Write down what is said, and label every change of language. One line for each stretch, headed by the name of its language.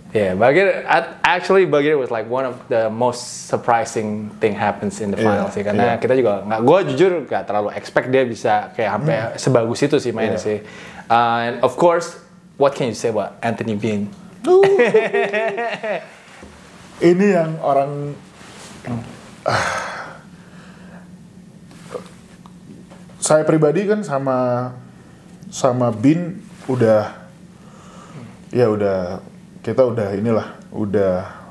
English: Yeah, Bagir was like one of the most surprising thing happens in the finals.
Indonesian: Yeah, sih, karena kita juga nggak, gue jujur nggak terlalu expect dia bisa kayak sampai sebagus itu sih mainnya sih.
English: And of course, what can you say about Anthony Bean?
Indonesian: Ini yang orang saya pribadi kan sama Bean udah ya udah. Kita udah inilah, udah